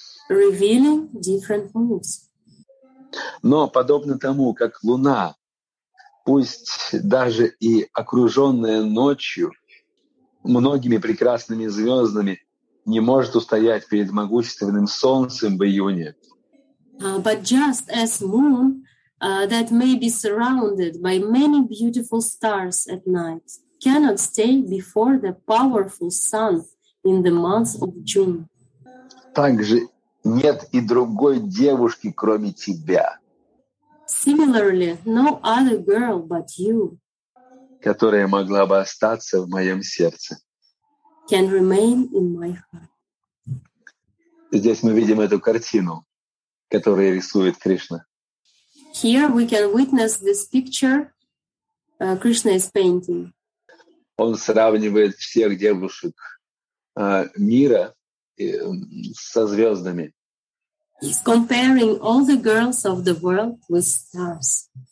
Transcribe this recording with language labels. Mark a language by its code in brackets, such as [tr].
[en] Revealing different moods. [ru] Но подобно тому, как луна, пусть даже и окруженная ночью многими прекрасными звездами, не может устоять перед могущественным солнцем в июне. [en] But just as moon, that may be surrounded by many beautiful stars at night, cannot stay before the powerful sun in the month of June. [ru] Также нет и другой девушки, кроме тебя. [en] Similarly, no other girl but you. [ru] Которая могла бы остаться в моем сердце. [en] Can remain in my heart. [ru] Здесь мы видим эту картину, которую рисует Кришна. [en] Here we can witness this picture Krishna is painting. [ru] Он сравнивает всех девушек мира со звездами. [en] He's comparing all the girls of the world with stars.